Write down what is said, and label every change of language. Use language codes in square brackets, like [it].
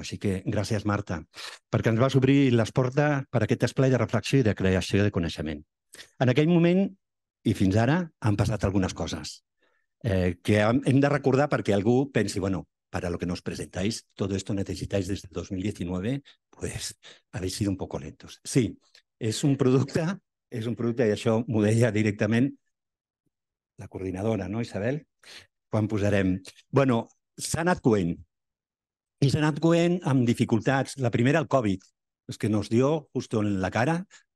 [ca] Així que gràcies, Marta, perquè ens vas obrir les portes per aquest esplai de reflexió i de creació de coneixement. En aquell moment i fins ara han passat algunes coses que hem de recordar perquè algú pensi, [es] bueno, para lo que nos presentáis, todo esto necesitáis desde 2019, pues habéis sido un poco lentos. [ca] Sí, és un producte, i això m'ho deia directament la coordinadora, no, Isabel? Quan posarem... Bueno, s'ha anat coent. I s'ha anat coent amb dificultats. La primera, el Covid, és que [es] nos dio justo en la cara.